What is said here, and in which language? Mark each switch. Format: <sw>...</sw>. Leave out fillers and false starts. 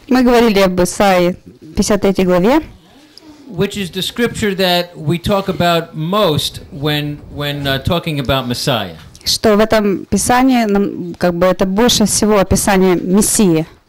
<ru>Мы говорили об Исаии 53 главе.</ru> <en>Which is the scripture that we talk about most when talking about Messiah.</en> <ru>Что в этом писании нам как бы это больше всего описание Мессии.</ru>